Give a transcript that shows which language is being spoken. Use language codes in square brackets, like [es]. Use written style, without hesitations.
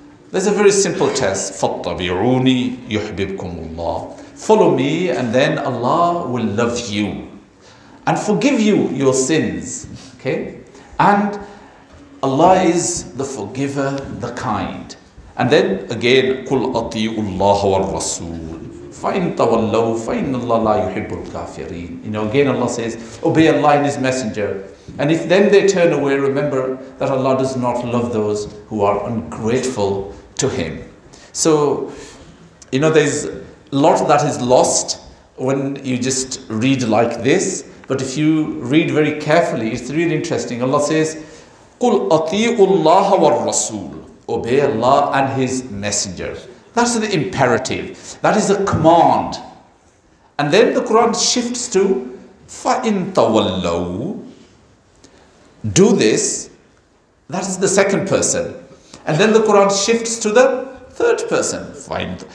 [en] There's a very simple test. [ar] فَاتَّبِعُونِي يُحْبِبْكُمُ اللَّهِ. [en] Follow me and then Allah will love you and forgive you your sins. Okay? And Allah is the forgiver, the kind. And then again, [ar] قُلْ أَطِيعُوا اللَّهَ وَالرَّسُولِ فَإِنْ تَوَلَّوْا فَإِنَّ اللَّهَ لَا يُحِبُّ الْكَافِرِينَ. [en] You know, again Allah says, obey Allah and His Messenger. And if then they turn away, remember that Allah does not love those who are ungrateful to Him. So, you know, there's a lot that is lost when you just read like this. But if you read very carefully, it's really interesting. Allah says, [ar] قُلْ أَطِيعُوا اللَّهَ وَالرَّسُولُ. [en] Obey Allah and His Messenger. That's the imperative. That is a command. And then the Quran shifts to [ar] فَإِن تَوَلَّوْا. [en] Do this. That is the second person. And then the Quran shifts to the third person. Fine.